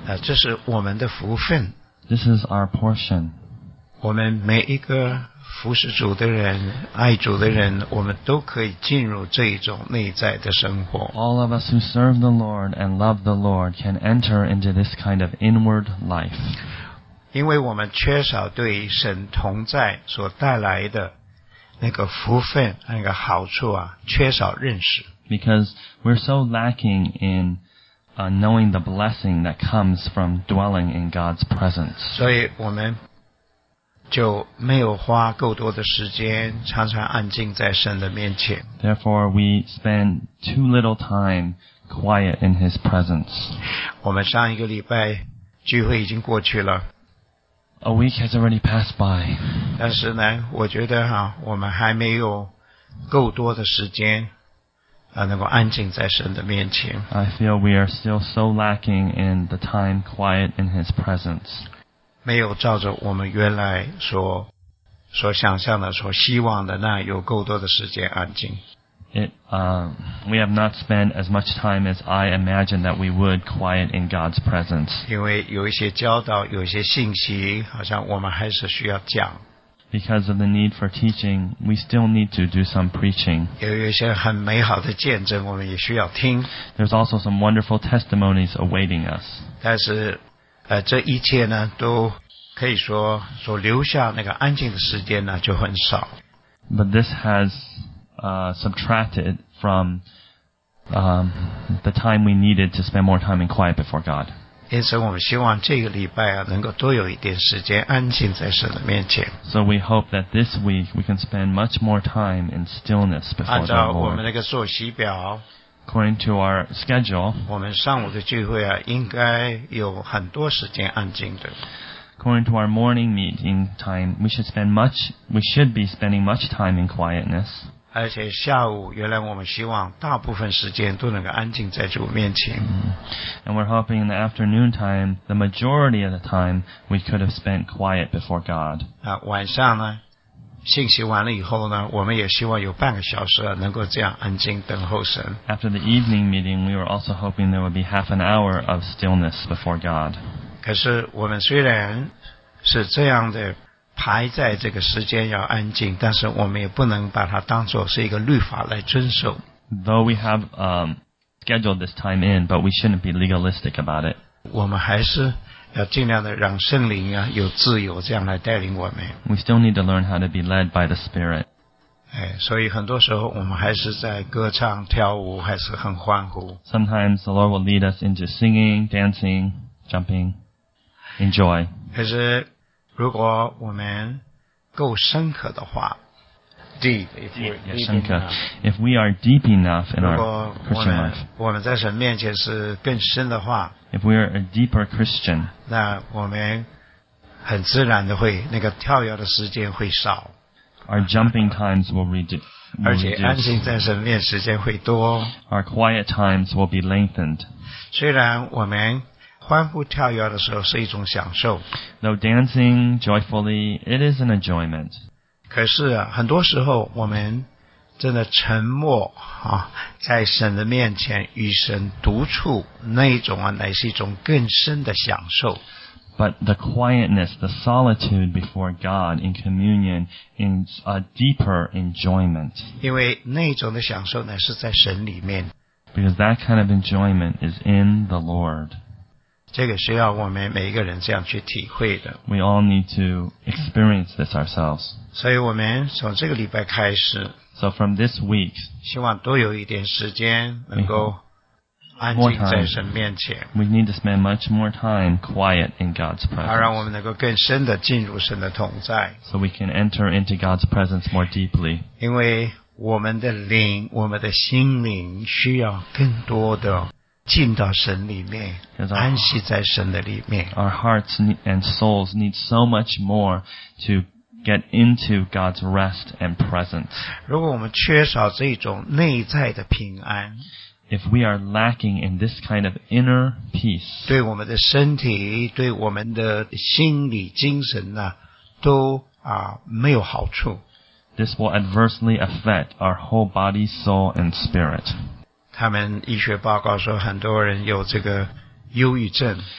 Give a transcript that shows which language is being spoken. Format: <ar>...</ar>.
<zh>这是我们的福分。</zh> <en>This is our portion.</en> <zh>我们每一个服侍主的人、爱主的人，我们都可以进入这一种内在的生活。</zh> <en>All of us who serve the Lord and love the Lord can enter into this kind of inward life.</en> <zh>因为我们缺少对神同在所带来的那个福分、那个好处啊，缺少认识。</zh> <en>Because we're so lacking in knowing the blessing that comes from dwelling in God's presence.</en> <zh>所以我们就没有花够多的时间常常安静在神的面前。</zh> <en>Therefore, we spend too little time quiet in His presence.</en> <zh>我们上一个礼拜聚会已经过去了。</zh> <en>A week has already passed by.</en> <zh>但是呢，我觉得哈，我们还没有够多的时间能够安静在神的面前。</zh> <en>I feel we are still so lacking in the time quiet in His presence.</en> <zh>没有照着我们原来所想象的、所希望的那有够多的时间安静。</zh> <en>We have not spent as much time as I imagined that we would quiet in God's presence.</en> <zh>因为有一些教导、有一些信息，好像我们还是需要讲。</zh> <en>Because of the need for teaching, we still need to do some preaching.</en> <zh>有一些很美好的见证，我们也需要听。</zh> <en>There's also some wonderful testimonies awaiting us.</en> <zh>但是，这一切呢，都可以说所留下那个安静的时间呢，就很少。</zh> <en>But this has subtracted from the time we needed to spend more time in quiet before God.</en> <zh>因此我们希望这个礼拜啊能够多有一点时间安静在神的面前。</zh> <en>So we hope that this week we can spend much more time in stillness before the Lord.</en> <zh>按照我们那个作息表</zh> <en>According to our schedule,</en> <zh>我们上午的聚会啊应该有很多时间安静的。</zh> <en>According to our morning meeting time, we should be spending much time in quietness.</en> <zh>而且下午原来我们希望大部分时间都能够安静在主面前。</zh> <en>And we're hoping in the afternoon time, the majority of the time, we could have spent quiet before God.</en> <zh>晚上呢，信息完了以后呢，我们也希望有半个小时能够这样安静等候神。</zh> <en>After the evening meeting, we were also hoping there would be half an hour of stillness before God.</en> <zh>可是我们虽然是这样的排在这个时间要安静，但是我们也不能把它当作是一个律法来遵守。</zh> <en>Though we have scheduled this time in, but we shouldn't be legalistic about it.</en> <zh>我们还是要尽量的让圣灵啊有自由这样来带领我们。</zh> <en>We still need to learn how to be led by the Spirit.</en> <zh>哎，所以很多时候我们还是在歌唱跳舞，还是很欢呼。</zh> <en>Sometimes the Lord will lead us into singing, dancing, jumping, enjoy.</en> <zh>可是如果我们够深刻的话</zh> <en>，deep，if we are deep enough in our Christian life，</en> <zh>我们在神面前是更深的话</zh> <en>，if we are a deeper Christian，</en> <zh>那我们很自然的会那个跳跃的时间会少</zh> <en>，our jumping times will reduce，</en> <zh>而且安静在神面前时间会多</zh> <en>，our quiet times will be lengthened。</en> <zh>虽然我们欢呼跳跃的时候是一种享受。</zh> <en>Though dancing joyfully, it is an enjoyment.</en> <zh>可是啊，很多时候我们真的沉默啊，在神的面前与神独处，那一种啊，乃是一种更深的享受。</zh> <en>But the quietness, the solitude before God in communion is a deeper enjoyment.</en> <zh>因为那一种的享受乃是在神里面。</zh> <en>Because that kind of enjoyment is in the Lord.</en> <zh>这个需要我们每一个人这样去体会的。</zh> <en>We all need to experience this ourselves.</en> <zh>所以我们从这个礼拜开始。</zh> <en>So from this week,</en> <zh>希望多有一点时间能够安静在神面前。</zh> <en>We need to spend much more time quiet in God's presence.</en> <zh>好让我们能够更深地进入神的同在。</zh> <en>So we can enter into God's presence more deeply.</en> <zh>因为我们的灵，我们的心灵需要更多的进到神里面，安息在神的里面。</zh> <en>Our hearts and souls need so much more to get into God's rest and presence.</en> <zh>如果我们缺少这种内在的平安，</zh> <en>If we are lacking in this kind of inner peace,</en> <zh>对我们的身体，对我们的心理精神呢，都啊没有好处。</zh> <en>This will adversely affect our whole body, soul, and spirit.</en> <zh>他们医学报告说很多人有这个忧郁症。</zh>